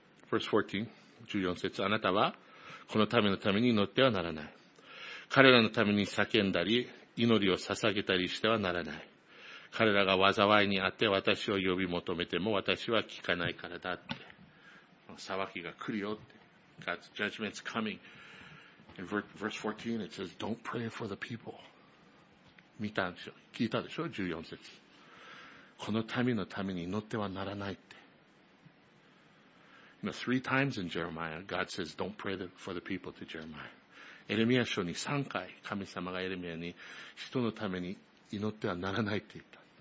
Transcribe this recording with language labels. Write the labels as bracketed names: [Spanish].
[English] Verse 14, [Japanese] 14節、あなたはこのためのために祈ってはならない。彼らのために叫んだり、祈りを捧げたりしてはならない。彼らが災いにあって私を呼び求めても私は聞かないからだって。裁きが来るよって。 [English] God's judgment's coming. In verse 14, it says, don't pray for the people. [Japanese] 見たんでしょ？聞いたでしょ？14 節。この民のために祈ってはならないって。 [English] Now, three times in Jeremiah, God says, don't pray for the people to Jeremiah. [Japanese] エレミア書に3回、神様がエレミアに人のために祈ってはならないって言った。